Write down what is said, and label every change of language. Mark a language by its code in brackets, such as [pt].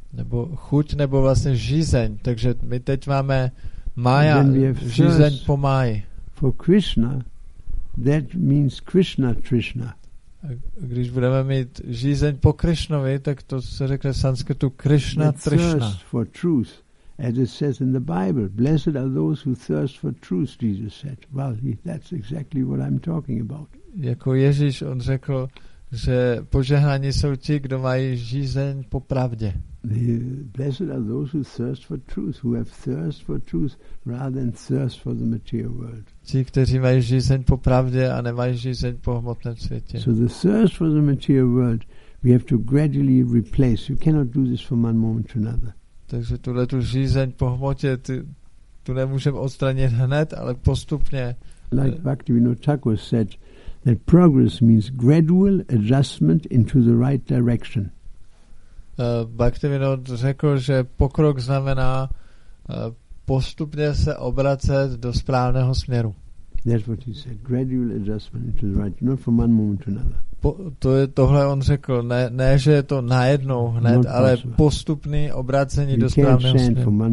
[cs] Nebo chuť nebo vlastně žízeň. Takže my teď máme Maya žízeň po Maji. [en] For Krishna, that means Krishna Trishna. [cs] Když budeme mít žízeň po Krishnovi, tak to se řekne v sanskritu Krishna Trishna. [en] For truth. As it says in the Bible, blessed are those who thirst for truth, Jesus said. Well, that's exactly what I'm talking about. [cs] Jako Ježíš, on řekl, že požehnaní jsou ti, kdo mají žízeň po pravdě. [en] Blessed are those who thirst for truth, who have thirst for truth rather than thirst for the material world. [cs] Ti, kteří mají žízeň po pravdě a nemají žízeň po hmotném světě. [en] So the thirst for the material world, we have to gradually replace. You cannot do this from one moment to another. [cs] Takže tuhle tu žízeň po hmotě tu nemůžeme odstranit hned, ale postupně. [en] Like Bhaktivinoda Thakur said, that progress means gradual adjustment into the right direction. [cs] Bhaktivinoda řekl, že pokrok znamená postupně se obracet do správného směru. [en] That's what he said. Gradual adjustment into the right, not from one moment to another. [cs] To je tohle on řekl, ne že je to najednou hned, ale postupný obrácení do správného směru.